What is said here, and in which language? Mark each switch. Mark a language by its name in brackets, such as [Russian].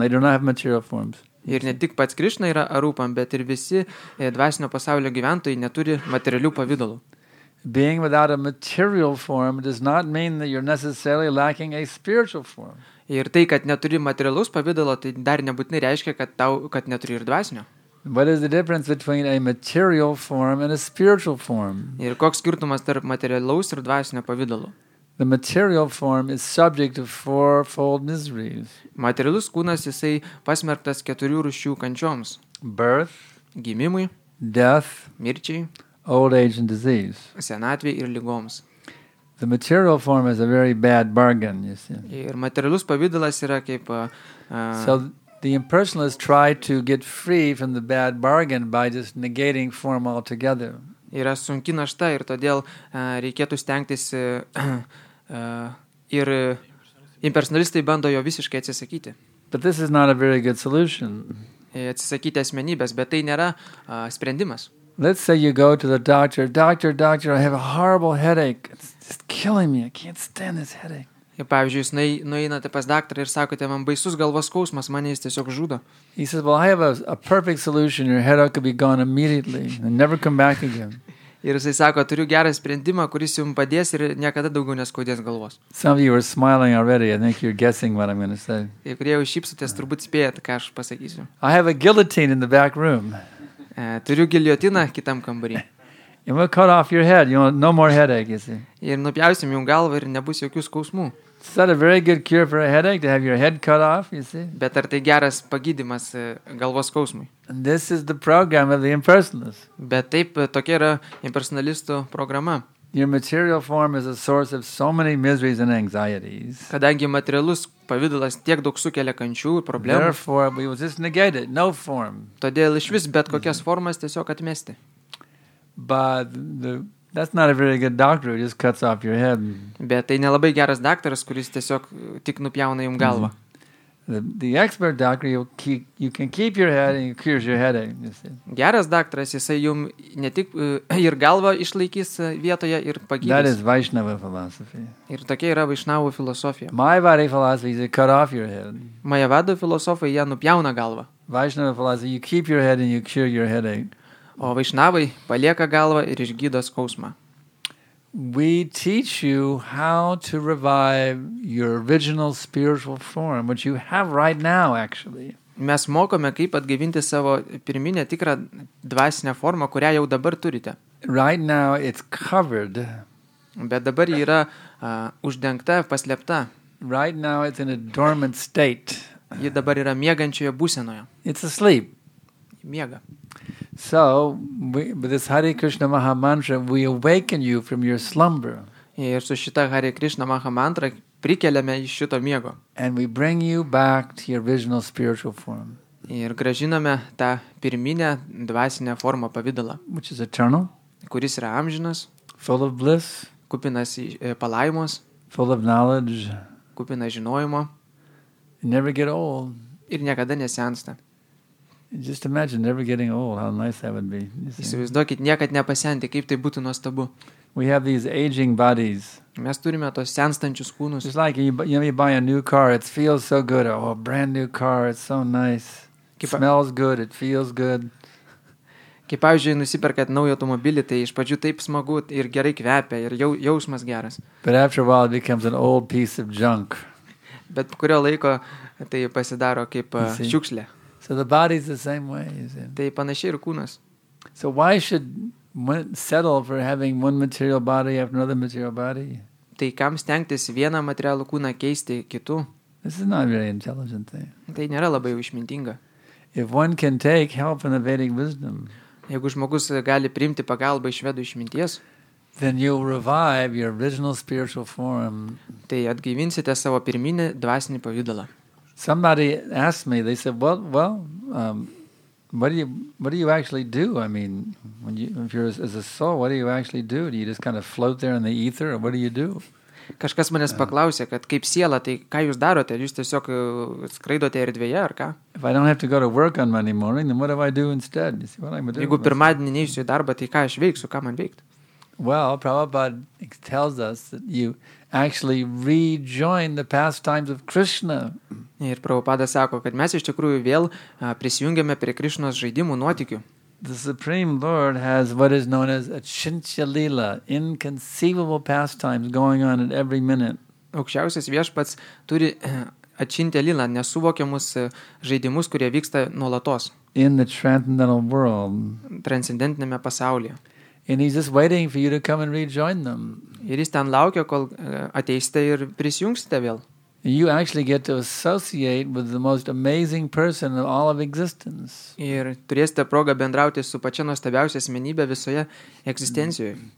[English] They do not have material forms. [Lithuanian] Ir ne tik pats Krishna yra arūpam, bet ir visi dvasinio pasaulio gyventojai neturi materialių pavidalų. [English] Being without a material form does not mean that you're necessarily lacking a spiritual form. [Lithuanian] Ir tai, kad neturi materialus pavidalo, tai dar nebūtinai reiškia, kad tau, kad neturi ir dvasinio. [English] What is the difference between a material form and a spiritual form? [Lithuanian] Ir koks skirtumas tarp materialaus ir dvasinio pavidalo? [English] The material form is subject to fourfold miseries. [Lithuanian] Materialus kūnas, jisai pasmerktas keturių rūšių kančioms. [English] Birth. [Lithuanian] Gimimui. [English] Death. [Lithuanian] Mirčiai. [English] Old age and disease. [Lithuanian] Senatvė ir ligoms. [English] The material form is a very bad bargain, you see. [Lithuanian] Ir materialus pavidalas yra kaip [English] So the impersonalists try to get free from the bad bargain by just negating form altogether. [Lithuanian] Yra sunki našta ir todėl reikėtų stengtis ir impersonalistai bando jo visiškai atsisakyti. [English] But this is not a very good solution. [Lithuanian] Atsisakyti asmenybės, bet tai nėra sprendimas. [English] Let's say you go to the doctor, I have a horrible headache. It's just killing me. I can't stand this headache. [Lithuanian] Ir pavyzdžiui, jūs nueinate pas daktarą ir sakote, man baisus galvos skausmas, mane jis tiesiog žudo. [English] He says, well, I have a perfect solution. Your headache could be gone immediately and never come back again. [Lithuanian] Ir jisai sako, turiu gerą sprendimą, kuris jums padės ir niekada daugiau neskaudės galvos. [English] Some of you are smiling already. I think you're guessing what I'm going to say. [Lithuanian] Ir kurie jau šypsotės, turbūt spėjate, ką aš pasakysiu. [English] I have a guillotine in the back room. [Lithuanian] Turiu giliotiną kitam kambarį. [English] And we'll cut off your head. You know, no more headache, you see. [Lithuanian] Ir nupjausim jums galvą ir nebus jokių skausmų. [English] Is that a very good cure for a headache to have your head cut off, you see? [Lithuanian] Bet ar tai geras pagydimas galvos skausmui? [English] And this is the program of the impersonalist. [Lithuanian] Bet taip tokia yra impersonalistų programa. [English] Your material form is a source of so many miseries and anxieties. [Lithuanian] Kadangi materialus pavidalas tiek daug sukelia kančių ir problemų. [English] Therefore, we will just negate it. No form. [Lithuanian] Todėl iš vis bet kokias formas tiesiog atmesti. [English] But that's not a very good doctor who just cuts off your head. [Lithuanian] Bet tai nelabai geras daktaras, kuris tiesiog tik nupjauna jums galvą. [English] The expert doctor, you can keep your head and he cures your headache, you see. [Lithuanian] Geras daktaras, jisai jum ne tik ir galvą išlaikys vietoje ir pagydys. [English] That is Vaishnava philosophy. [Lithuanian] Ir tokia yra Vaishnava filosofija. [English] Mayavada philosophy is to cut off your head. [Lithuanian] Mayavada filosofija, jie nupjauna galvą. [English] Vaishnava philosophy, you keep your head and you cure your headache. [Lithuanian] O Vaishnavai palieka galvą ir išgydo skausmą. [English] We teach you how to revive your original spiritual form, which you have right now, actually. [Lithuanian] Mes mokome, kaip atgaivinti savo pirminę tikrą dvasinę formą, kurią jau dabar turite. [English] Right now it's covered. [Lithuanian] Bet dabar ji yra uždengta, paslėpta. [English] Right now it's in a dormant state. [Lithuanian] Ji dabar yra miegančioje būsenoje. [English] It's asleep. [Lithuanian] Miega. [English] So, with this Hare Krishna Maha Mantra, we awaken you from your slumber. [Lithuanian] Ir su šita Hare Krishna Maha Mantra prikeliame iš šito miego. [English] And we bring you back to your original spiritual form. [Lithuanian] Ir grąžiname tą pirminę dvasinę formą pavidalą. [English] Which is eternal. [Lithuanian] Kuris yra amžinas. [English] Full of bliss. [Lithuanian] Kupinas palaimos. [English] Full of knowledge. [Lithuanian] Kupinas žinojimo. [English] Never get old. [Lithuanian] Ir niekada nesensta. [English] Just imagine never getting old, how nice that would be. [Lithuanian] Įsivaizduokit, niekad nepasenti, kaip tai būtų nuostabu. [English] We have these aging bodies. [Lithuanian] Mes turime tos senstančius kūnus. [English] It's like you buy a new car, it feels so good. Oh, brand new car, it's so nice. It smells good, it feels good. [Lithuanian] Kaip pavyzdžiui, nusiperkat naują automobilį, tai iš pradžių taip smagu ir gerai kvepia ir jausmas geras. [English] But after a while it becomes an old piece of junk. [Lithuanian] Bet po kurio laiko tai pasidaro kaip šiukšlė. [English] So the body is the same way, is it? [Lithuanian] Tai panašiai ir kūnas. [English] So why should one settle for having one material body after another material body? [Lithuanian] Tai kam stengtis vieną materialų kūną keisti kitu? [English] This is not very intelligent thing. [Lithuanian] Tai nėra labai išmintinga. [English] If one can take help from the Vedic wisdom, [Lithuanian] jeigu žmogus gali priimti pagalbą iš vedų išminties, [English] then you revive your original spiritual form. [Lithuanian] Tai atgaivinsite savo pirminį dvasinį pavidalą. [English] Somebody asked me, they said, what do you actually do? I mean, if you're as a soul, what do you actually do? Do you just kind of float there in the ether, or what do you do? [Lithuanian] Kažkas manęs paklausė, kad kaip siela, tai ką jūs darote? Jūs tiesiog skraidote erdvėje, ar ką? [English] If I don't have to go to work on Monday morning, then what do I do instead? You see, what am I doing? [Lithuanian] Jeigu pirmadienį neįsiu į darbą, tai ką aš veiksiu, ką man veikti? [English] Well, Prabhupada tells us that you actually rejoin the pastimes of Krishna. [Lithuanian] Ir Prabhupada sako, kad mes iš tikrųjų vėl prisijungiame prie Krishnos žaidimų nuotykių. [English] The Supreme Lord has what is known as achincha lila, inconceivable pastimes going on at every minute. [Lithuanian] Aukščiausias viešpats turi achincha lila, nesuvokiamus žaidimus, kurie vyksta nuolatos. [English] In the transcendental world. [Lithuanian] Transcendentiniame pasaulyje. [English] And he's just waiting for you to come and rejoin them. [Lithuanian] Ir jis ten laukia, kol ateisite ir prisijungsite vėl. [English] You actually get to associate with the most amazing person of all of existence. [Lithuanian] Ir turėsite progą bendrauti su pačia nuostabiausia asmenybe visoje egzistencijoje.